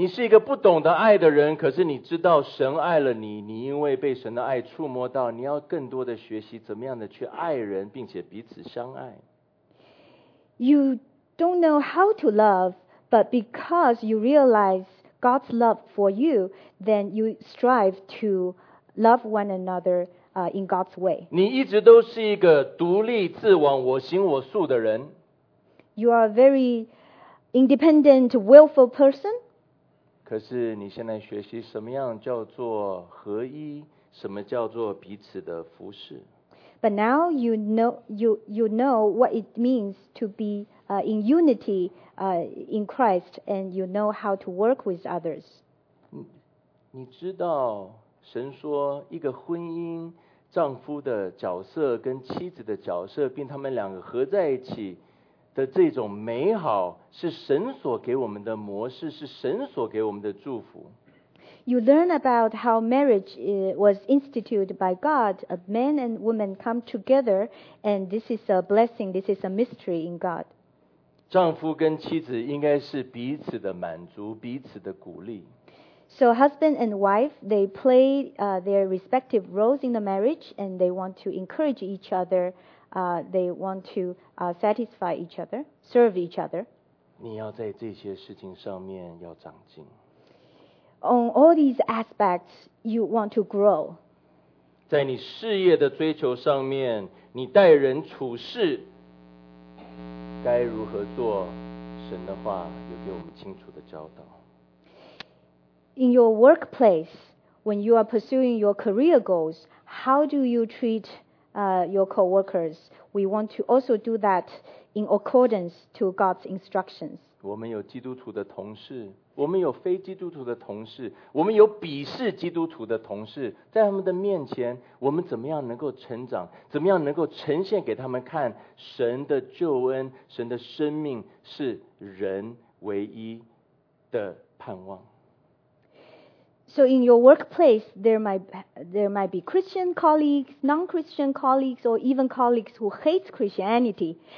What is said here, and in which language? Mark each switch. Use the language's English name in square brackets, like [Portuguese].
[Chinese] 你是一个不懂得爱的人，可是你知道神爱了你，你因为被神的爱触摸到，你要更多的学习怎么样的去爱人，并且彼此相爱。 [English] You don't know how to love, but because you realize God's love for you, then you strive to love one another in God's way. [Chinese] 你一直都是一个独立自往、我行我素的人。 [English] You are a very independent, willful person. [Chinese] 可是你现在学习什么样叫做合一，什么叫做彼此的服侍。 [English] But now you know what it means to be in unity in Christ, and you know how to work with others. [Chinese] 你知道神说一个婚姻，丈夫的角色跟妻子的角色，并他们两个合在一起。的这种美好是神所给我们的模式，是神所给我们的祝福。 [English] You learn about how marriage was instituted by God. A man and woman come together, and this is a blessing. This is a mystery in God. [Chinese] 丈夫跟妻子应该是彼此的满足，彼此的鼓励。 [English] So husband and wife, they play their respective roles in the marriage, and they want to encourage each other. They want to satisfy each other, serve each other. [Chinese] 你要在这些事情上面要长进。 [English] On all these aspects, you want to grow. [Chinese] 在你事业的追求上面，你待人处事该如何做？神的话有给我们清楚的教导。 [English] In your workplace, when you are pursuing your career goals, how do you treat your co-workers? We want to also do that in accordance to God's instructions. [Chinese] 我们有基督徒的同事，我们有非基督徒的同事，我们有鄙视基督徒的同事，在他们的面前，我们怎么样能够成长？怎么样能够呈现给他们看神的救恩，神的生命是人唯一的盼望？ [English] So in your workplace, there might be Christian colleagues, non-Christian colleagues, or even colleagues who hate Christianity.